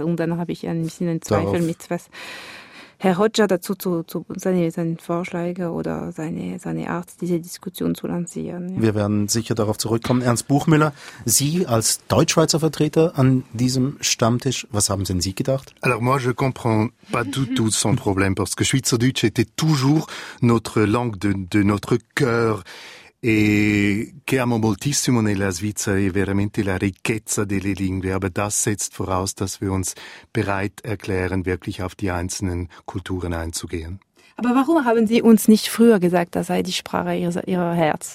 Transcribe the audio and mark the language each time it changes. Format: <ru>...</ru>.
<de>Und dann habe ich ein bisschen einen Zweifel darauf, mit was Herr Hodges dazu zu seinen Vorschlägen oder seine Art, diese Diskussion zu lancieren. Ja. Wir werden sicher darauf zurückkommen. Ernst Buchmüller, Sie als Deutschschweizer Vertreter an diesem Stammtisch, was haben denn Sie gedacht?</de> <fr>Alors moi, je comprends pas du tout son problème, parce que Schweizerdeutsch était toujours notre langue de notre cœur.</fr> <it>E che amo moltissimo nella Svizzera è veramente la ricchezza delle lingue,</it> <de>aber das setzt voraus, dass wir uns bereit erklären, wirklich auf die einzelnen Kulturen einzugehen. Aber warum haben Sie uns nicht früher gesagt, das sei die Sprache Ihrer Herz?</de>